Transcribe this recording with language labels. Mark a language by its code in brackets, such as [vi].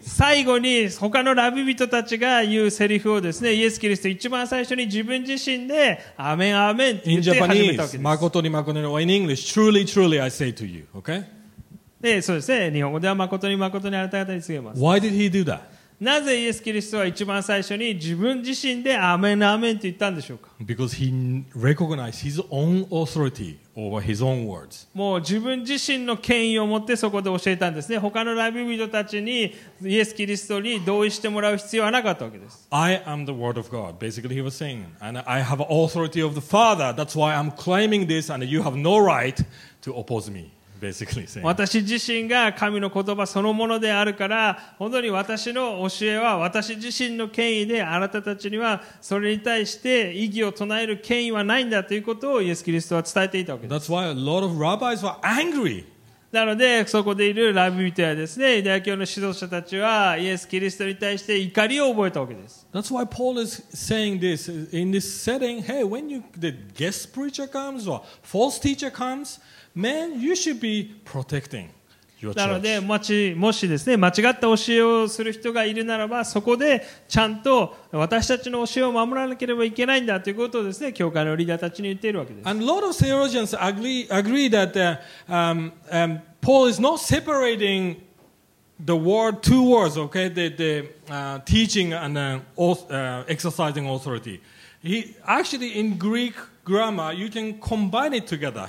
[ja] 最後に他のラビ人たちが言うセリフをですね、イエス・キリスト一番最初に自分自身で Amen, Amen って言って始めたわけです。 [en] In Japanese, [ja] 誠に誠に [en] or in English, truly, truly, I say to you, okay? [ja] で、そうですね。日本語では誠に誠にあなた方に告げます。 [en] Why did he do that? [ja] なぜイエス・キリストは一番最初に自分自身でアメンアメンと言ったんでしょうか。 [en] Because he recognized his own authority over his own words. [ja] もう自分自身の権威を持ってそこで教えたんですね。他のラビ人たちにイエス・キリストに同意してもらう必要はなかったわけです。 [en] I am the word of God. Basically he was saying, and I have authority of the Father. That's why I'm claiming this, and you have no right to oppose me. [ja] 私自身が神の言葉そのものであるから本当に私の教えは私自身の権威であなたたちにはそれに対して異議を唱える権威はないんだということをイエス・キリストは伝えていたわけです。 [en] That's why a lot of rabbis were angry. [ja] なのでそこでいるラビ人やですねユダヤ教の指導者たちはイエス・キリストに対して怒りを覚えたわけです。 [en] That's why Paul is saying this in this setting. Hey, when you, the guest preacher comes or false teacher comesMan, you should be protecting your church. [ja] なので、もしですね、間違った教えをする人がいるならば、そこでちゃんと私たちの教えを守らなければいけないんだということをですね、教会のリーダーたちに言っているわけです。 [en] And a lot of theologians agree that Paul is not separating the word, two words, okay? The teaching and exercising authority. He actually in Greek. Grammar, you can combine it together.